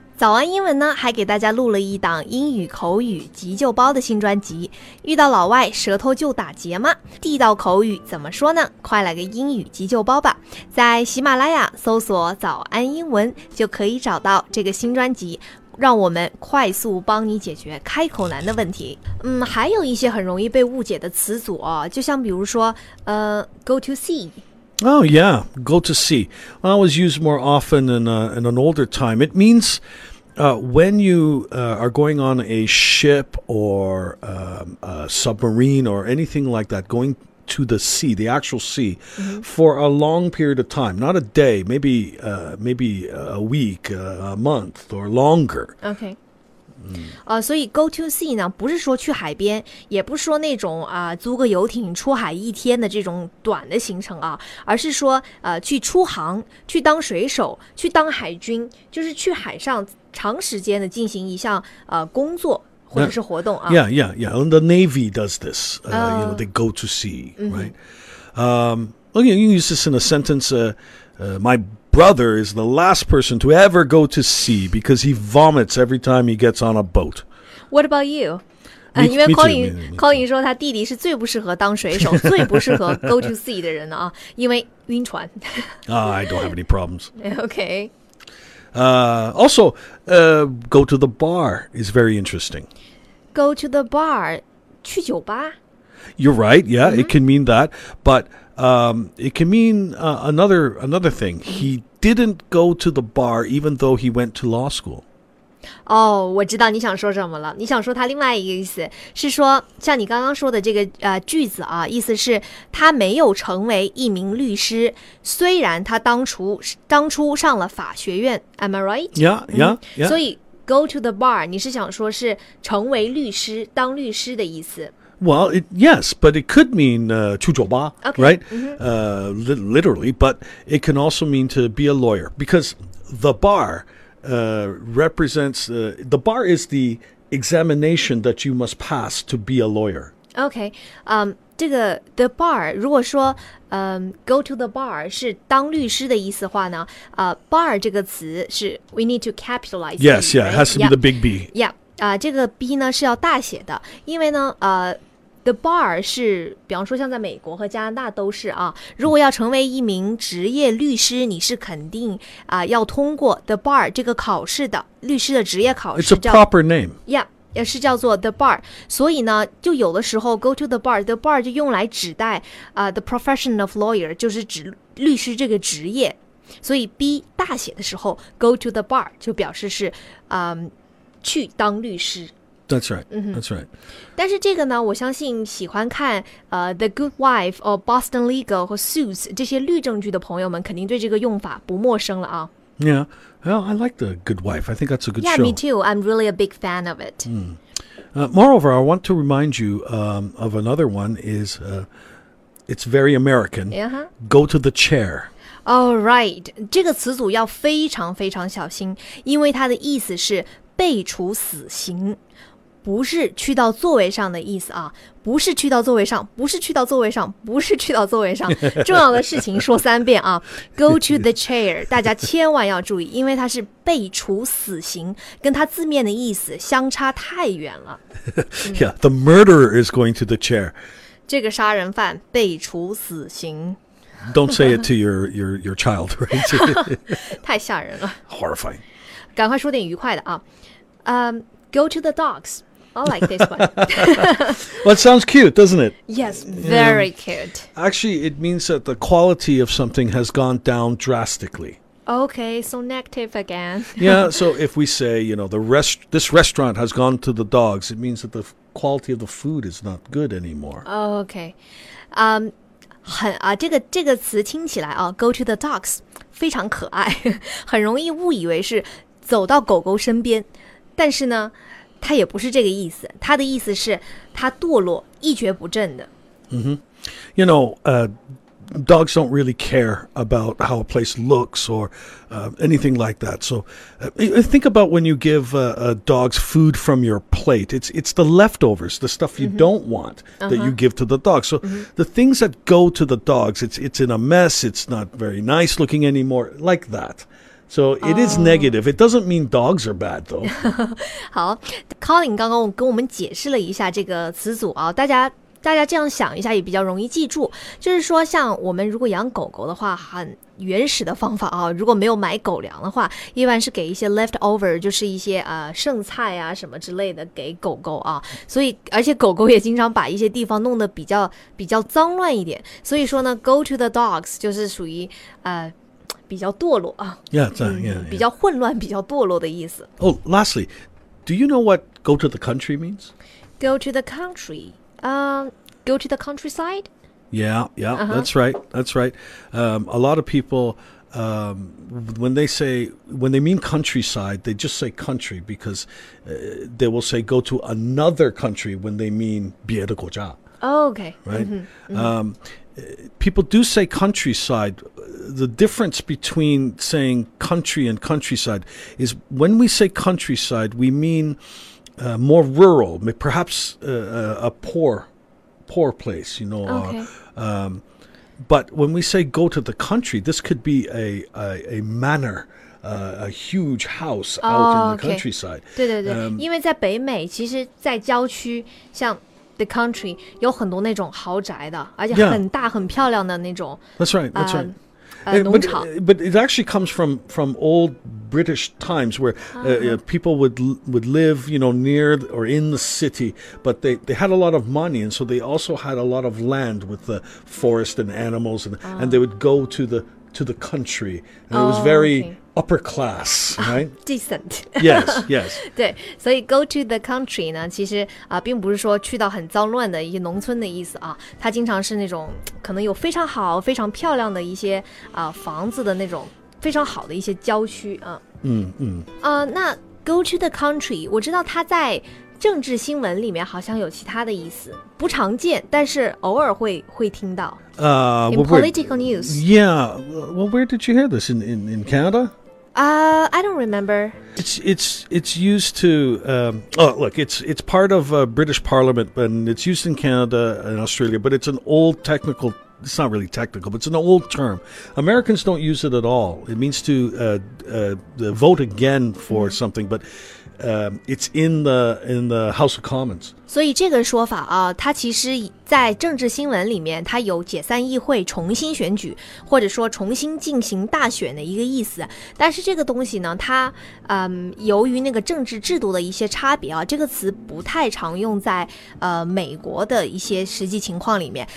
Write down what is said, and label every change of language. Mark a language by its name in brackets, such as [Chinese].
[Chinese] 早安英文呢还给大家录了一档英语口语急救包的新专辑遇到老外舌头就打结吗地道口语怎么说呢快来个英语急救包吧在喜马拉雅搜索早安英文就可以找到这个新专辑让我们快速帮你解决开口难的问题嗯，还有一些很容易被误解的词组、哦、就像比如说go to see [English] Oh, yeah, go to sea. That was used more often in an older time. It means when you are going on a ship or a submarine or anything like that, going to the sea, the actual sea, mm-hmm. for a long period of time, not a day, maybe a week, a month or longer. Okay. [Chinese] 所以 go to sea 呢不是说去海边也不是说那种、租个游艇出海一天的这种短的行程啊而是说、去出航去当水手去当海军就是去海上长时间的进行一项、工作或者是活动啊 [English] Yeah, yeah, yeah. And the Navy does this. You know, they go to sea, right? You can use this in a sentence. My brother is the last person to ever go to sea because he vomits every time he gets on a boat. What about you? [Chinese] 因为 Colin 说他弟弟是最不适合当水手最不适合 go to sea 的人、啊、因为晕船 [English] 、I don't have any problems okay、 also、go to the bar is very interesting go to the bar 去酒吧 you're right yeah、mm-hmm. it can mean that but、it can mean、another thing he didn't go to the bar even though he went to law school [Chinese] 哦、oh, 我知道你想说什么了你想说他另外一个意思是说像你刚刚说的这个、句子啊意思是他没有成为一名律师虽然他当初上了法学院 [English] Am I right? Yeah. [Chinese] 所以 go to the bar 你是想说是成为律师当律师的意思 [English] Well, yes, but it could mean [Chinese] 去酒吧 [English] right?、 Mm-hmm. Literally, but it can also mean to be a lawyer because the barrepresents the bar is the examination that you must pass to be a lawyer. [Chinese] Okay, 这个 the bar 如果说go to the bar 是当律师的意思话呢，bar 这个词是 [English] we need to capitalize. Yes, yeah, it has to be the big B. [Chinese] Yeah, 这个 B 呢是要大写的，因为呢the bar 是比方说像在美国和加拿大都是啊如果要成为一名职业律师你是肯定、要通过 the bar 这个考试的律师的职业考试 [English] It's a proper name [Chinese] Yeah 是叫做 the bar 所以呢就有的时候 go to the bar 就用来指代、 [English] the profession of lawyer [Chinese] 就是指律师这个职业所以 B 大写的时候 go to the bar 就表示是、去当律师 [English] That's right. That's right. [Chinese] 但是这个呢我相信喜欢看、The Good Wife or Boston Legal or Suits 这些律政剧的朋友们肯定对这个用法不陌生了啊。 [English] Yeah. Well, I like The Good Wife. I think that's a good yeah, show. Yeah, me too. I'm really a big fan of it.、 Mm. Moreover, I want to remind you、of another one. Is,、it's very American.、 Uh-huh. Go to the chair. [Chinese] Alright, 这个词组要非常非常小心因为它的意思是被处死刑不是去到座位上的意思啊不是去到座位上不是去到座位上不是去到座位上重要的事情说三遍啊Go to the chair 大家千万要注意因为它是被处死刑跟它字面的意思相差太远了 [English] Yeah, the murderer is going to the chair [Chinese] 这个杀人犯被处死刑 [English] Don't say it to your child, right? [Chinese] 太吓人了 [English] Horrifying [Chinese] 赶快说点愉快的啊、Go to the dogs [English] I like this one Well, it sounds cute, doesn't it? Yes, very cute Actually, it means that the quality of something has gone down drastically Okay, so negative again Yeah, so if we say, you know, this restaurant has gone to the dogs It means that the quality of the food is not good anymore [Chinese] Okay很啊，这个词听起来啊 ，go to the dogs， 非常可爱，很容易误以为是走到狗狗身边，但是呢，它也不是这个意思，它的意思是它堕落一蹶不振的。 [English] 嗯哼 ，you know， dogs don't really care about how a place looks or anything like that. So think about when you give dogs food from your plate. It's the leftovers, the stuff you、mm-hmm. don't want that、uh-huh. you give to the dogs. So、mm-hmm. the things that go to the dogs, it's in a mess. It's not very nice looking anymore like that. So it、oh. is negative. It doesn't mean dogs are bad, though. [Chinese] 好 Colin 刚刚跟我们解释了一下这个词组啊，大家这样想一下也比较容易记住，就是说像我们如果养狗狗的话，很原始的方法啊，如果没有买狗粮的话，一般是给一些 leftover， 就是一些剩菜啊什么之类的给狗狗啊，所以而且狗狗也经常把一些地方弄得比较脏乱一点，所以说呢 go to the dogs 就是属于比较堕落啊 [English] yeah. [Chinese] 比较混乱比较堕落的意思。 [English] Oh, lastly, do you know what go to the country means? Go to the countryGo to the countryside? Yeah, uh-huh. that's right. A lot of people, when they mean countryside, they just say country because they will say go to another country when they mean [Chinese] 别的国家. [English] Oh, okay. Right? Mm-hmm, mm-hmm. People do say countryside. The difference between saying country and countryside is when we say countryside, we mean... more rural, perhaps a poor place, you know. Okay. But when we say go to the country, this could be a manor, a huge house out in the countryside. [Chinese] 对对对，因为在北美，其实在郊区，像the country 有很多那种豪宅的，而且很大很漂亮的那种。 [English] That's right. That's right. [Chinese] 农场。 [English] But it actually comes from old British times where people would live, you know, near or in the city, but they had a lot of money, and so they also had a lot of land with the forest and animals, and they would go to the country, and it was very upper class, right? Decent. Yes, yes. [Chinese] 对，所以 go to the country 呢，其实并不是说去到很脏乱的一些农村的意思啊，它经常是那种可能有非常好、非常漂亮的一些房子的那种非常好的一些郊区啊。嗯嗯。那 go to the country， 我知道它在政治新闻里面好像有其他的意思，不常见，但是偶尔会听到。 [English] In political news. Yeah. Well, where did you hear this? In Canada? I don't remember. It's used to, look, it's part of British Parliament, and it's used in Canada and Australia, but it's an old technical, it's not really technical, but it's an old term. Americans don't use it at all. It means to vote again for something, but it's in the House of Commons. [Chinese] 所以这个说法啊，它其实在政治新闻里面，它有解散议会、重新选举，或者说重新进行大选的一个意思。但是这个东西呢，它由于那个政治制度的一些差别啊，这个词不太常用在美国的一些实际情况里面。